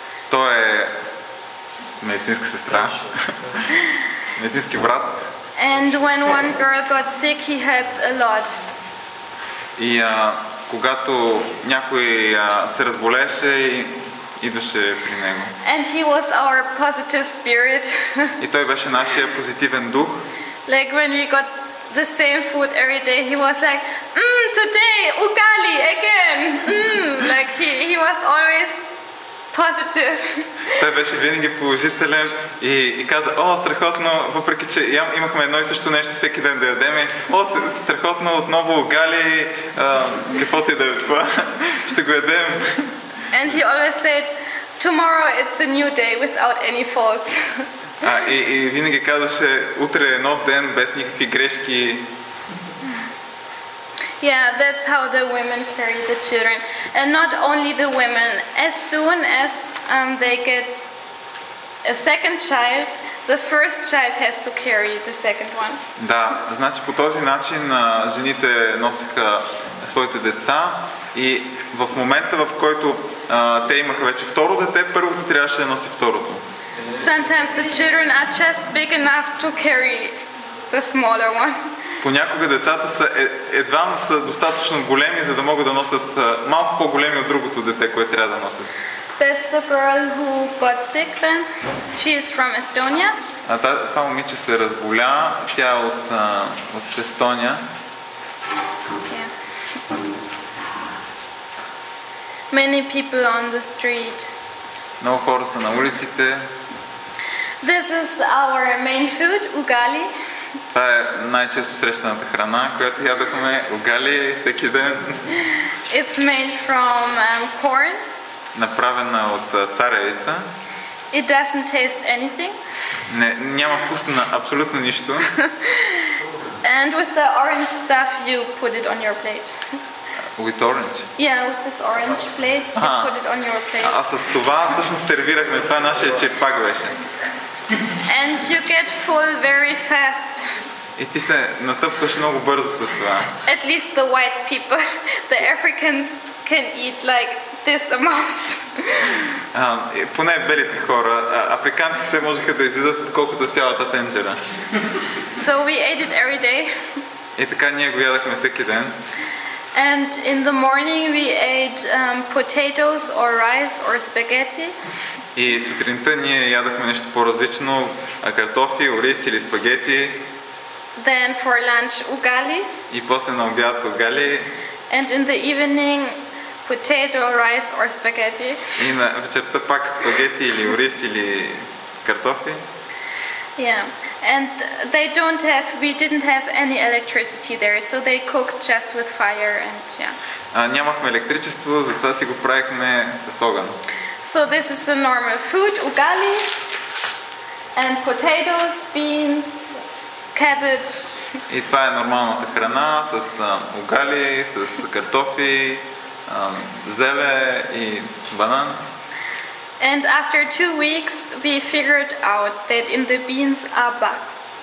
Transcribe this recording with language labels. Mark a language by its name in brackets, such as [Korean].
[Bulgarian] Той е медицинска сестра. Медицински брат. [English] And when one girl got sick, he helped a lot. [Bulgarian] И когато някой се разболеше, идваше при него. [English] And he was our positive spirit. [Bulgarian] И той беше нашия позитивен дух. [English] Like when we got the same food every day, he was like, today ugali again. Like he was always positive. [Bulgarian] Той беше винаги положителен и каза, о, страхотно, въпреки че имахме едно и също нещо всеки ден да ядем, о, страхотно, отново угали, каквото и да е това, ще го ядем. [English] And he always said, tomorrow it's a new day without any faults. [Bulgarian] И винаги казваше, утре е нов ден, без никакви грешки. [English] Yeah, that's how the women carry the children. And not only the women. As soon as they get a second child, the first child has to carry the second one. [Bulgarian] Да, значи по този начин жените носиха своите деца и в момента, в който те имаха вече второ дете, първото трябваше да носи второто. [English] Sometimes the children are just big enough to carry the smaller one. [Bulgarian] Понякога децата са едва са достатъчно големи, за да могат да носят малко по-големи от другото дете, което трябва да носят. [English] That's the girl who got sick then. She is from Estonia. [Bulgarian] Това момиче се разболя. Тя е от, от Естония. [English] Yeah. Many people on the street. [Bulgarian] Много хора са на улиците. [English] This is our main food, ugali. [Bulgarian] Това е най-често срещаната храна, която ядохме, угали всеки ден. [English] It's made from corn. [Bulgarian] Направена от царевица. [English] It doesn't taste anything. [Bulgarian] Няма вкус на абсолютно нищо. [English] And with the orange stuff you put it on your plate. With orange? Yeah, with this orange plate you put it on your plate. [Bulgarian] А с това всъщност сервирахме, това е нашия черпак беше. [English] And you get full very fast. [Bulgarian] И ти се натъпкаш много бързо с това. [English] At least the white people, the Africans can eat like this amount. [Bulgarian] Поне белите хора, африканците можеха да изядат колкото цялата тенджера. [English] So we ate it every day. [Bulgarian] И така ние го ядахме всеки ден. [English] And in the morning we ate potatoes or rice or spaghetti. [Bulgarian] И сутринта ние ядахме нещо по-различно, картофи, ориз или спагети. [English] Then for lunch ugali. [Bulgarian] И после на обяд ugali. [English] And in the evening potato, rice or spaghetti. [Bulgarian] И на вечерта пак спагети или ориз или картофи. [English] Yeah. And they don't have we didn't have any electricity there, so they cooked just with fire and yeah. [Bulgarian] Нямахме електричество, затова си го правихме с огън. [English] So this is a normal food, ugali and potatoes, beans, cabbage. [Bulgarian] И това е нормалната храна с угали, с картофи, зеле и банан. [English] And after 2 weeks, we figured out that in the beans are bugs.